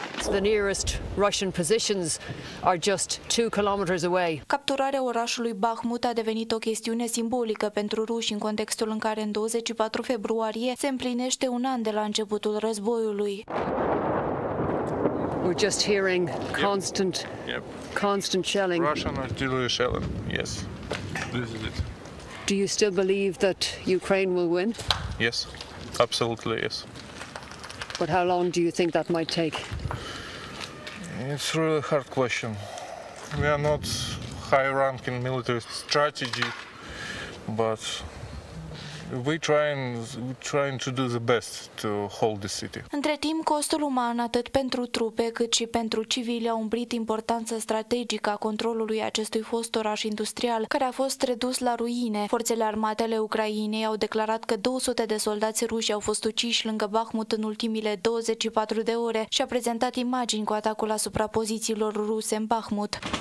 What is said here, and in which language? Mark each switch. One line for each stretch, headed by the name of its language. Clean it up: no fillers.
English: The nearest Russian positions are just 2 kilometers away.
Romanian: Capturarea orașului Bahmut a devenit o chestiune simbolică pentru ruși în contextul în care în 24 februarie se împlinește un an de la începutul războiului.
English: We're just hearing constant, constant shelling. Russian artillery shelling, yes. This is it. Do you still believe that Ukraine will win? Yes, absolutely, yes. But how long do you think that might take? It's really a hard question. We are not high-ranking military strategy, but We're trying to do the best to hold the city.
Romanian: Între timp, costul uman, atât pentru trupe, cât și pentru civili, a umbrit importanța strategică a controlului acestui fost oraș industrial, care a fost redus la ruine. Forțele armatele Ucrainei au declarat că 200 de soldați ruși au fost uciși lângă Bahmut în ultimile 24 de ore și a prezentat imagini cu atacul asupra pozițiilor ruse în Bahmut.